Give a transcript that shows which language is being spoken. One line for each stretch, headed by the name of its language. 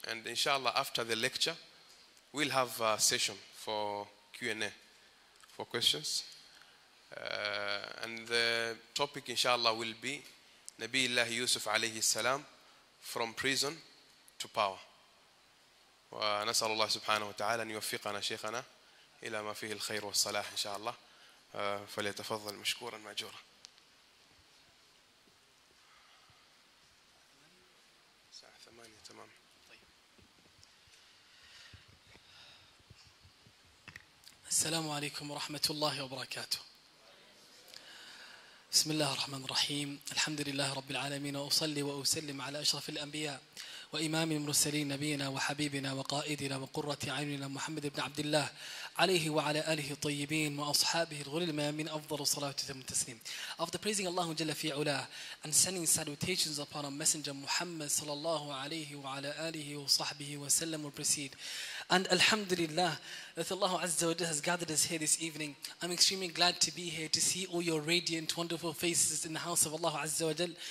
English: And inshallah, after the lecture, we'll have a session for Q&A, for questions. And the topic, inshallah, will be Nabi Allah Yusuf alayhi salam, from prison to power.
Arabic: ونسأل الله سبحانه وتعالى أن يوفقنا شيخنا إلى ما فيه الخير والصلاح إن شاء الله فليتفضل مشكورا ماجورا. الساعة 8 تمام. السلام عليكم ورحمة الله وبركاته. بسم الله الرحمن الرحيم، الحمد لله رب العالمين، وأصلي وأسلم على أشرف الأنبياء وإمام المرسلين نبينا وحبيبنا وقائدنا وقرة عيننا محمد بن عبد الله عليه وعلى آله الطيبين وأصحابه الغلل من أفضل الصلاة والتسليم.
English: After praising Allah
Arabic: جل في علاه
English: and sending salutations upon our messenger Muhammad
Arabic: صلى الله عليه وعلى آله وصحبه وسلم
English: will proceed. And alhamdulillah that Allah Azza wa Jalla has gathered us here this evening. I'm extremely glad to be here to see all your radiant, wonderful faces in the house of Allah Azza wa Jalla.